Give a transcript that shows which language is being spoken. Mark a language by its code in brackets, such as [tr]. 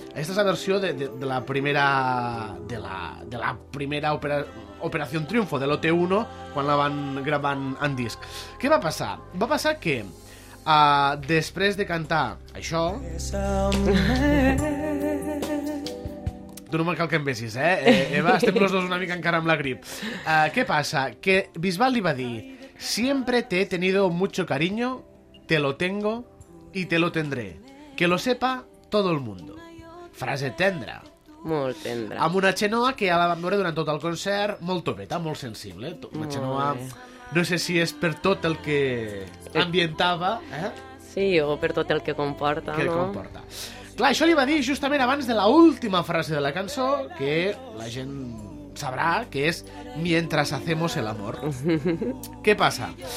[ca] Aquesta és la versió de la primera, de la primera Operació Triunfo, de l'OT1, quan la van gravant en disc. Què va passar? Va passar que després de cantar això, tu no me'n cal que em vessis, eh? Eva, estem los dos una mica encara amb la grip. Què passa? Que Bisbal li va dir: [es] "Siempre te he tenido mucho cariño, te lo tengo y te lo tendré. Que lo sepa todo el mundo." [ca] Frase tendra. Molt tendra. Amb una Chenoa que ja la vam veure durant tot el concert, molt topeta, molt sensible. Una Chenoa... No sé si és per tot el que ambientava, Sí, o per tot el que comporta, que no? Que comporta. Clar, això li va dir justament abans de la última frase de la cançó, que la gent sabrà, que és [es] "Mientras hacemos el amor". [ca] Què passa?